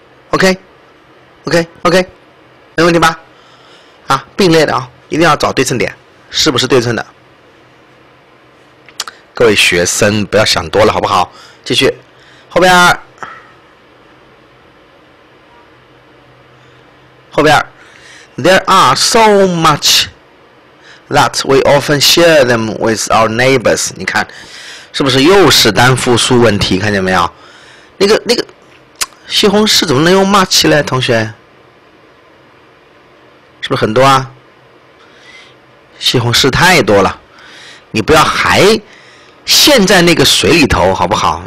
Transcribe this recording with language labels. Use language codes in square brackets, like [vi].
[zh] OK 没问题吧？啊，并列的啊，一定要找对称点，是不是对称的？各位学生不要想多了好不好？继续后边，后边 [en] There are so much that we often share them with our neighbors。 [zh] 你看是不是又是单复数问题，看见没有？那个西红柿怎么能用 much 呢？同学，是不是很多啊？西红柿太多了，你不要还陷在那个水里头好不好？